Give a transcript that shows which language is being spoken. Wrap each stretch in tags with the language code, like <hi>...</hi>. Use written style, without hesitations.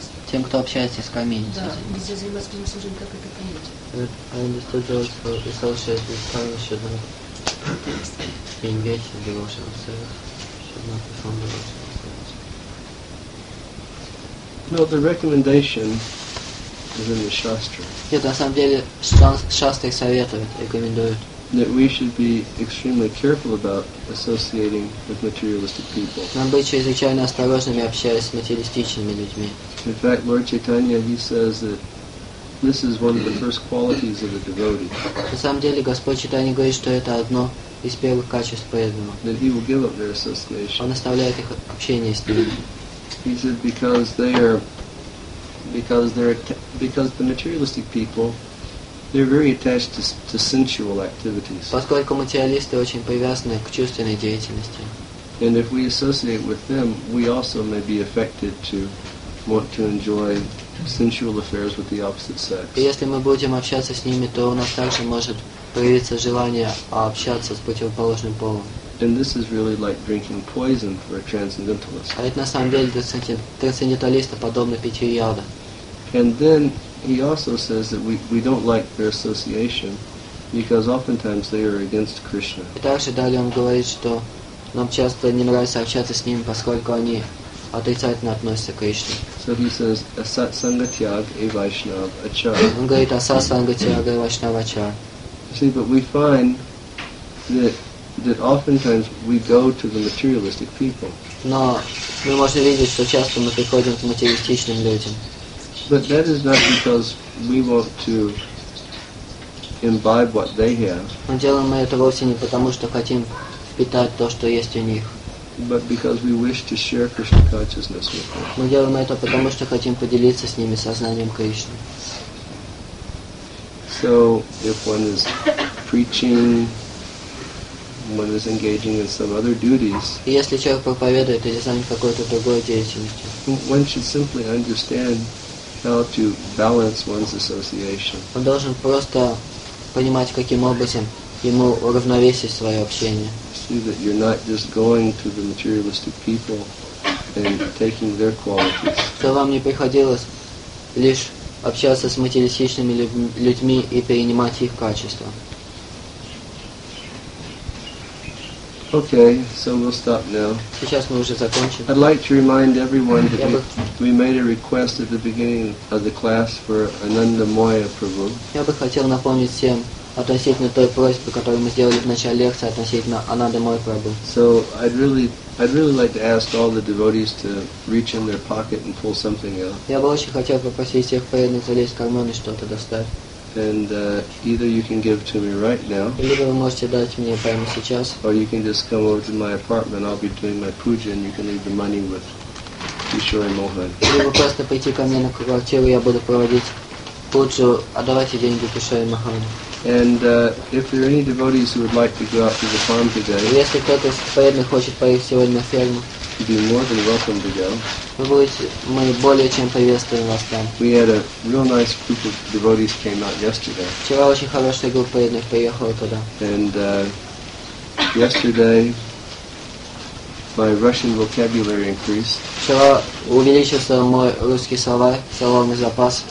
<ru>Тем, кто общается с Кармией. Да, где занимается кремослужением, как это понять?</ru> <en>I understood those who associate with Karma should not be engaged in devotional service, should not perform devotional service. No, the recommendation is in the Shastra.</en> <ru>Нет, на самом деле, Шастры советуют, рекомендуют.</ru> <en>That we should be extremely careful about associating with materialistic people.</en> <ru>Нам быть чрезвычайно осторожными, общаясь с материалистичными людьми.</ru> <en>In fact, Lord Chaitanya, he says that this is one of the first qualities of a devotee.</en> <ru>На самом деле, Господь Читания говорит, что это одно из первых качеств преданного.</ru> <en>That he will give up their association.</en> <ru>Он оставляет их общение с ними.</ru> <en>He said because the materialistic people, they're very attached to sensual activities.</en> <ru>Поскольку материалисты очень привязаны к чувственной деятельности.</ru> <en>And if we associate with them, we also may be affected to want to enjoy sensual affairs with the opposite sex.</en> <ru>И если мы будем общаться с ними, то у нас также может появиться желание общаться с противоположным полом.</ru> <en>And this is really like drinking poison for a transcendentalist.</en> <ru>А это на самом деле для трансценденталиста подобно питью яда.</ru> <en>And then he also says that we don't like their association because oftentimes they are against Krishna.</en> <ru>И также далее он говорит, что нам часто не нравится общаться с ними, поскольку они отрицательно относятся к Кришне.</ru> <en>So he says,</en> <bn>asat sangatyag e vaishnav achar.</bn> <ru>Он говорит,</ru> <bn>asat sangatyag e vaishnav achar.</bn> <en>See, but we find that oftentimes we go to the materialistic people.</en> <ru>Но мы можем видеть, что часто мы приходим к материалистичным людям.</ru> <en>But that is not because we want to imbibe what they have.</en> <ru>Мы делаем это вовсе не потому, что хотим впитать то, что есть у них.</ru> <en>But because we wish to share Krishna consciousness with them.</en> <ru>Мы делаем это потому, что хотим поделиться с ними сознанием Кришны.</ru> <en>So if one is preaching, one is engaging in some other duties.</en> <ru>И если человек проповедует или занят какой-то другой деятельностью.</ru> <en>One should simply understand how to balance one's association.</en> <ru>Он должен просто понимать, каким образом ему уравновесить свое общение.</ru> <en>See that you're not just going to the materialistic people and taking their qualities.</en> <ru>Что вам не приходилось лишь общаться с материалистичными людьми и перенимать их качества.</ru> <en>Okay, so we'll stop now.</en> <ru>Сейчас мы уже закончим.</ru> <en>I'd like to remind everyone that we made a request at the beginning of the class for Anandamaya Prabhu.</en> <ru>Я бы хотел напомнить всем относительно той просьбы, которую мы сделали в начале лекции относительно Анандамаи Прабху.</ru> <en>So I'd really like to ask all the devotees to reach in their pocket and pull something out.</en> <ru>Я бы очень хотел попросить всех преданных залезть в карман и что-то достать.</ru> <en>And either you can give to me right now,</en> <ru>либо вы можете дать мне прямо сейчас,</ru> <en>or you can just come over to my apartment. I'll be doing my puja, and you can leave the money with Kishore Mohan.</en> <ru>Либо просто прийти ко мне на квартиру, я буду проводить пуджу, отдавайте деньги Кишоре Махану.</ru> <en>And if there are any devotees who would like to go out to the farm today,</en> <ru>если кто-то из преданных хочет поехать сегодня на ферму,</ru> <en>you'd be more than welcome to go.</en> <ru>Мы более чем приветствуем вас там.</ru> <en>We had a real nice group of devotees came out yesterday.</en> <ru>Вчера очень хорошая группа преданных приехала туда.</ru> <en>And yesterday my Russian vocabulary increased.</en> <ru>Вчера увеличился мой русский словарь, словарный запас.</ru>